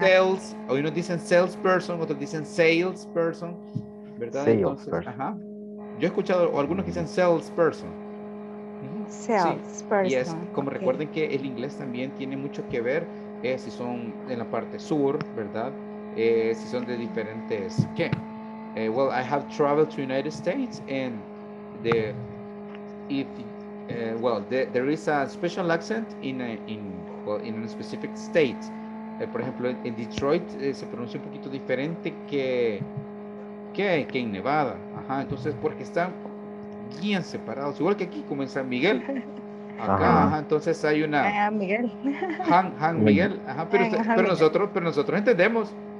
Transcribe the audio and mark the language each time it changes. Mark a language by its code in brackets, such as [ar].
[es] Sales, o unos dicen sales person, otros dicen sales person, ¿verdad? Sales entonces, person. Ajá. Yo he escuchado, o algunos que dicen sales person. Sales sí. Person. Y es como okay. Recuerden que el inglés también tiene mucho que ver, si son en la parte sur, ¿verdad? Si son de diferentes, ¿qué? [en] Well, I have traveled to United States, and there is a special accent in a specific state. [es] Por ejemplo, en Detroit se pronuncia un poquito diferente que en Nevada. Ajá. Entonces, porque están bien separados, igual que aquí, como en San Miguel. Acá, ajá. Entonces hay una. Miguel. Han Miguel. Ajá. Pero, usted, Miguel. Pero nosotros entendemos.